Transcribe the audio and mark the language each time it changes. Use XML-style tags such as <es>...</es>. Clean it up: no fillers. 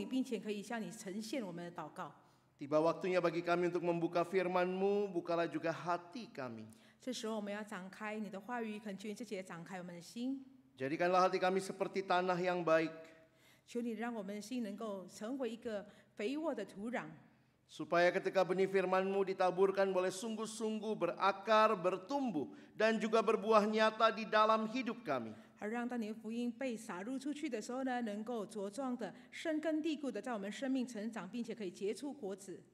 <zh>感谢主，今天晚上我们仍然有美好的机会，我们可以来到你施恩宝座前来高举你，来歌颂你，并且可以向你呈现我们的祷告。</zh> <id>Tiba waktunya bagi kami untuk membuka firman-Mu, bukalah juga hati kami.</id> <zh>这时候我们要展开你的话语，恳求你自己也展开我们的心。</zh> <id>Jadikanlah hati kami seperti tanah yang baik.</id> <zh>求你让我们的心能够成为一个肥沃的土壤。</zh> <id>Supaya ketika benih firman-Mu ditaburkan boleh sungguh-sungguh berakar, bertumbuh, dan juga berbuah nyata di dalam hidup kami.</id> <zh>而让当你的福音被撒入出去的时候呢，能够茁壮的、深根蒂固的在我们生命成长，并且可以结出果子。</zh>